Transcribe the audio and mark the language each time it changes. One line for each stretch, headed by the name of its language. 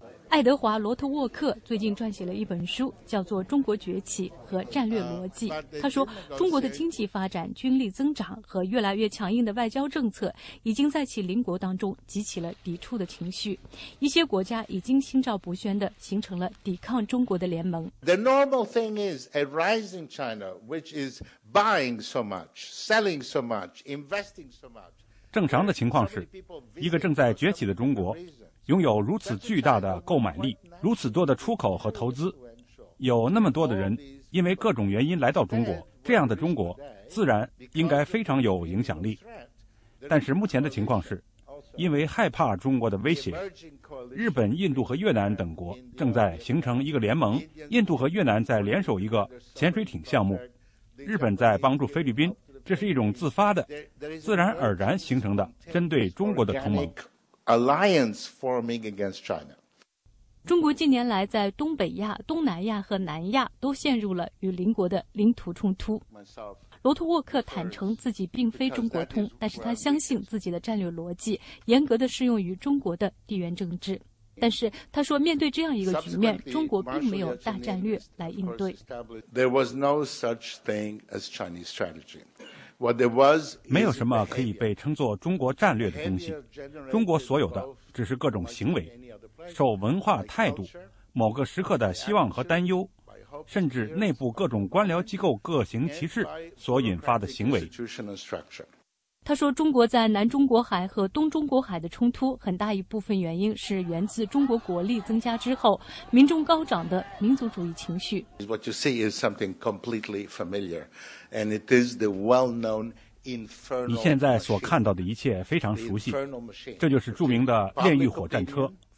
Chinese: 爱德华·罗特沃克最近撰写了一本书，叫做《中国崛起和战略逻辑》。他说，中国的经济发展、军力增长和越来越强硬的外交政策，已经在其邻国当中激起了抵触的情绪。一些国家已经心照不宣地形成了抵抗中国的联盟。
English: The normal thing is a rising China, which is buying so much, selling so much, investing so much.
Chinese: 正常的情况是，一个正在崛起的中国拥有如此巨大的购买力，如此多的出口和投资，有那么多的人因为各种原因来到中国，这样的中国自然应该非常有影响力。但是目前的情况是，因为害怕中国的威胁，日本、印度和越南等国正在形成一个联盟，印度和越南在联手一个潜水艇项目，日本在帮助菲律宾，这是一种自发的、自然而然形成的针对中国的同盟。
English: Alliance forming against China.
Chinese: 中国近年来在东北亚、东南亚和南亚都陷入了与邻国的领土冲突。罗特沃克坦诚自己并非中国通，但是他相信自己的战略逻辑严格地适用于中国的地缘政治。但是他说，面对这样一个局面，中国并没有大战略来应对。
English: There was no such thing as Chinese strategy. What there was,
Chinese: 没有什么可以被称作中国战略的东西。中国所有的只是各种行为、受文化态度、某个时刻的希望和担忧，甚至内部各种官僚机构各行其事所引发的行为。他说，中国在南中国海和东中国海的冲突，很大一部分原因是源自中国国力增加之后，民众高涨的民族主义情绪。
English: What you see is something completely familiar, and it is the well-known infernal.
Chinese: 你现在所看到的一切非常熟悉，这就是著名的炼狱火战车。